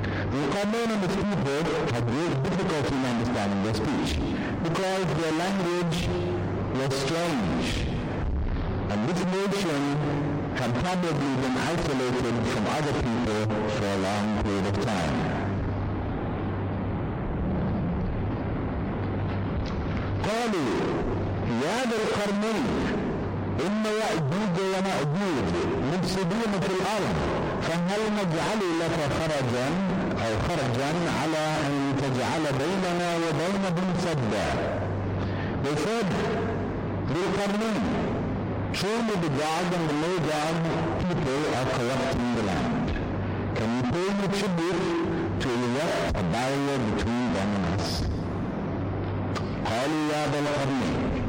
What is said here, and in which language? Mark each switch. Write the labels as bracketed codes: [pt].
[en] The Qarnayn and his people had great difficulty in understanding their speech, because their language was strange, and this nation had probably been isolated from other people for a long period of time. [ar] قالوا يا ذا القرنين إن يأجوج ومأجوج مفسدون في الأرض فهل نجعل لك خرجا أو خرجا على أن تجعل بيننا وبينهم سدا. [en] They said, Dhul-Qarnayn, truly the God and the low God people are corrupting the land. Can you pay me tribute to erect a barrier between them and us? [ar] قالوا يا ذا القرنين.